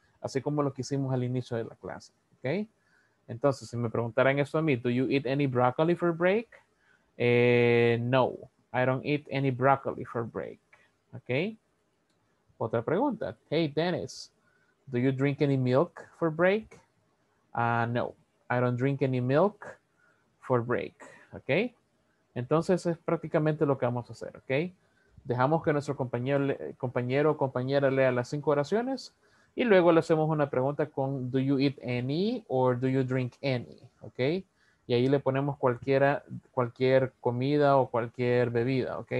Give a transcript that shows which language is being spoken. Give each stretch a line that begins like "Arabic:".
Spanish: Así como lo que hicimos al inicio de la clase. Ok. Entonces, si me preguntaran eso a mí,
English: ¿do you eat any broccoli for break? No, I don't eat any broccoli for break. ¿Ok?
Spanish: Otra pregunta.
English: Hey, Dennis, ¿do you drink any milk for break? No, I don't drink any milk for break. ¿Ok?
Spanish: Entonces, es prácticamente lo que vamos a hacer. ¿Ok? Dejamos que nuestro compañero o compañera lea las 5 oraciones. Y luego le hacemos una pregunta con
English: do you eat any or do you drink any,
Spanish: ¿ok? Y ahí le ponemos cualquier comida o cualquier bebida, ¿ok?